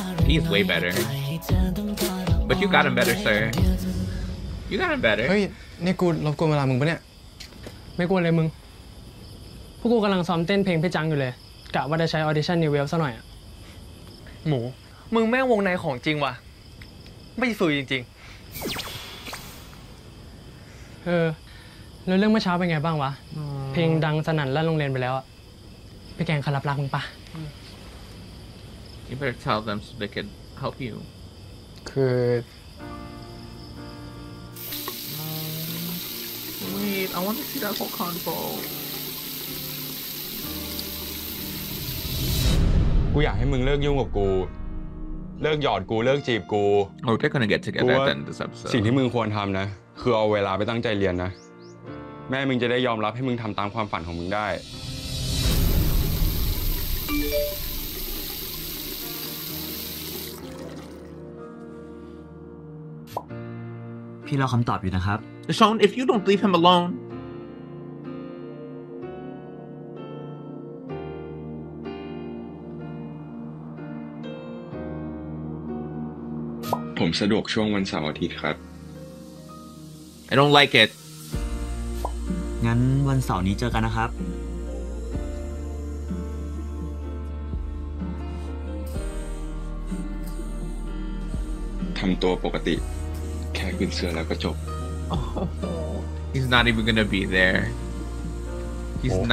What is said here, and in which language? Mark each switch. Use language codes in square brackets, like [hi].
[en] He's way better. But you got him better, sir. You got him better. Hey, Nick, we're late for time, aren't we? Not late, man. [th] พวกกูกำลังซ้อมเต้นเพลงพี่จังอยู่เลยกะว่าจะใช้ audition new wave ซะหน่อยอ่ะ หมูมึงแม่งวงในของจริงว่ะไม่สื่อจริง ๆเออแล้วเรื่องเมื่อเช้าเป็นไงบ้างวะเพลงดังสนั่นลั่นโรงเรียนไปแล้วอ่ะพี่แกงขอรับรักมึงป่ะ [en] You better tell them so they can help you [th] คือ [en] Wait, I want to see that whole convo [th] กูอยากให้มึงเลิกยุ่งกับกูเลิกหยอดกูเลิกจีบกู [en] Oh, they're gonna get together then this episode [th] สิ่งที่มึงควรทำนะคือเอาเวลาไปตั้งใจเรียนนะแม่มึงจะได้ยอมรับให้มึงทำตามความฝันของมึงได้พี่รอคำตอบอยู่นะครับ [en] Sean, if you don't leave him alone [th] ผมสะดวกช่วงวันเสาร์อาทิตย์ครับ [en] I don't like it [th] งั้นวันเสาร์นี้เจอกันนะครับ ทำตัวปกติแค่ขึ้นเสื้อแล้วก็จบ [en] oh. He's not even gonna be there He's oh.